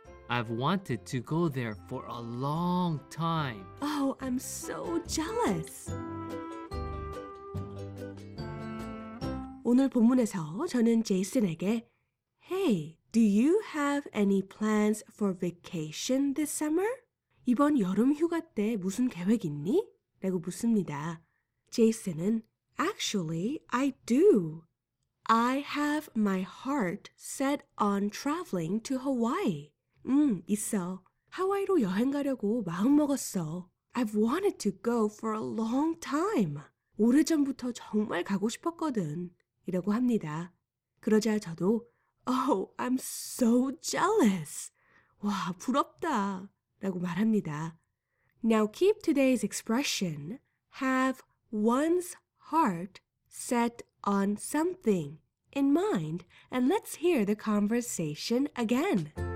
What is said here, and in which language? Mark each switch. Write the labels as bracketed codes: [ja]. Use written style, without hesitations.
[en] I've wanted to go there for a long time. Oh, I'm so jealous. [ko] 오늘 본문에서 저는 제이슨에게 [en] Hey, do you have any plans for vacation this summer? [ko] 이번 여름 휴가 때 무슨 계획 있니? 라고 묻습니다. 제이슨은 [en] Actually, I do. I have my heart set on traveling to Hawaii. [ko] 있어. 하와이로 여행 가려고 마음 먹었어. [en] I've wanted to go for a long time. [ko] 오래전부터 정말 가고 싶었거든. 이라고 합니다. 그러자 저도 [en] Oh, I'm so jealous. [ko] 와, 부럽다. 라고 말합니다. [en] Now keep today's expression have one's heart set on something in mind and let's hear the conversation again.